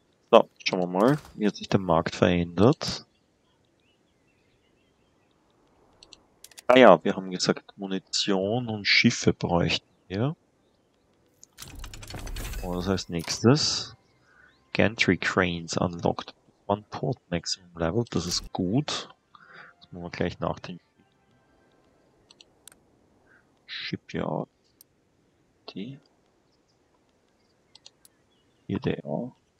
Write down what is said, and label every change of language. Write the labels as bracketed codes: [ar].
[de] So, schauen wir mal, wie hat sich der Markt verändert. Ah ja, wir haben gesagt, Munition und Schiffe bräuchten wir. Und das heißt nächstes. [en] Gantry Cranes unlocked. One port maximum level, [de] das ist gut. Das machen wir gleich nach den Shipyard. Die. Hier der auch.